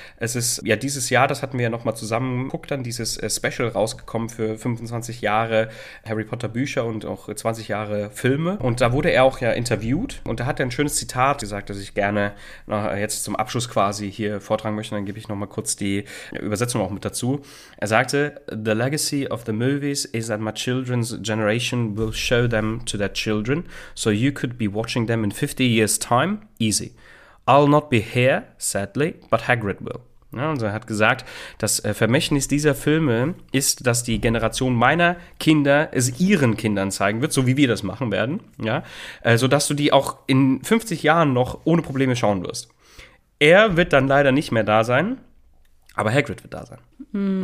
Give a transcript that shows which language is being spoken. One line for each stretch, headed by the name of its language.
German: Es ist ja dieses Jahr, das hatten wir ja nochmal zusammen geguckt, dann dieses Special rausgekommen für 25 Jahre Harry Potter Bücher und auch 20 Jahre Filme. Und da wurde er auch ja interviewt und da hat er ein schönes Zitat gesagt, das ich gerne jetzt zum Abschluss quasi hier vortragen möchte. Dann gebe ich nochmal kurz die Übersetzung auch mit dazu.
English: Er sagte: "The legacy of the movies is that my children's generation will show them to their children. So you could be watching them in 50 years time. Easy. I'll not be here, sadly, but Hagrid will."
German: Ja, und er hat gesagt, das Vermächtnis dieser Filme ist, dass die Generation meiner Kinder es ihren Kindern zeigen wird, so wie wir das machen werden, ja, sodass du die auch in 50 Jahren noch ohne Probleme schauen wirst. Er wird dann leider nicht mehr da sein, aber Hagrid wird da sein. Hm.